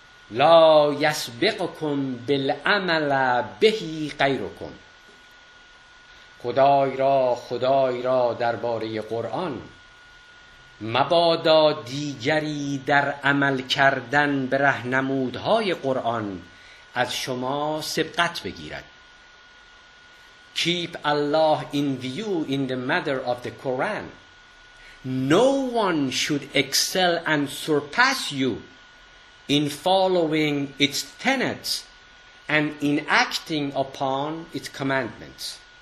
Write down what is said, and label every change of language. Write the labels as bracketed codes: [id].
[ar] لا يسبقكم بالعمل به غيركم. [fa] خدای را خدای را درباره قرآن مبادا دیگری در عمل کردن به رهنمودهای قرآن از شما سبقت بگیرد. [en] Keep Allah in view in the matter of the Quran. No one should excel and surpass you in following its tenets and in acting upon its commandments.